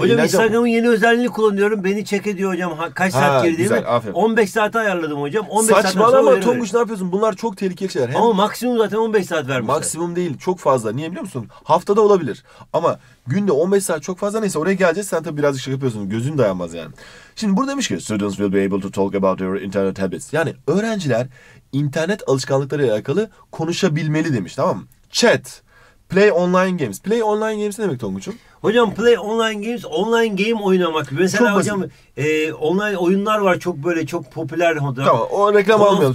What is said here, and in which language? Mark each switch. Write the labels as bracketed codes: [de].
[tr] hocam, eğlenceli... Hocam Instagram'ın yeni özelliğini kullanıyorum. Beni check ediyor hocam kaç saat geldiğimi. 15 saati ayarladım hocam. 15 saçmalama Tonguç ne yapıyorsun? Bunlar çok tehlikeli şeyler. Ama maksimum zaten 15 saat vermişler. Maksimum değil, çok fazla. Niye biliyor musun? Haftada olabilir. Ama günde 15 saat çok fazla neyse oraya geleceğiz. Sen tabii birazcık şey yapıyorsun. Gözün dayanmaz yani. Şimdi burada demiş ki [en] students will be able to talk about their internet habits. [tr] Yani öğrenciler internet alışkanlıklarıyla alakalı konuşabilmeli demiş, tamam mı? [en] Chat, play online games. Play online games [tr] ne demek Tonguç'um? [en] Hocam play online games, online game oynamak. [tr] Mesela hocam online oyunlar var çok böyle çok popüler. Hocam. Tamam o reklam almayalım.